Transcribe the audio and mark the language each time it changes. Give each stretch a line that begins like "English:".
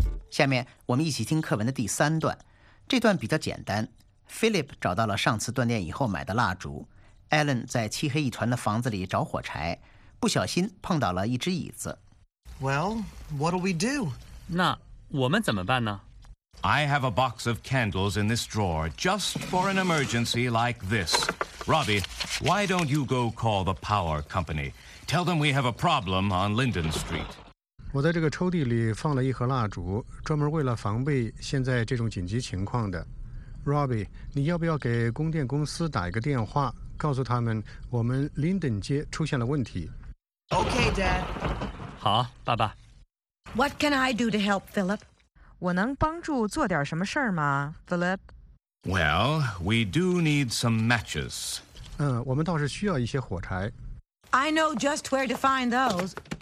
Chinese: 下面我们一起听课文的第三段，这段比较简单。 Philip 找到了上次断电以后买的蜡烛， Ellen 在漆黑一团的房子里找火柴，不小心碰到了一只椅子。
English: Well, what'll we do?
Chinese: 那我们怎么办呢？
English: I have a box of candles in this drawer, just for an emergency like this. Robbie, why don't you go call the power company? Tell them we have a problem on Linden Street.
Chinese: 我在这个抽屉里放了一盒蜡烛，专门为了防备现在这种紧急情况的。 Robbie, 你要不要给供电公司打一个电话，告诉他们我们 Linden 街出现了问题
English: ？Okay, Dad.
Chinese: 好，爸爸。
English: What can I do to help, Philip?
Chinese: 我能帮助做点什么事儿吗 ，Philip？
English: Well, we do need some matches.
Chinese: 我们倒是需要一些火柴。
English: I know just where to find those.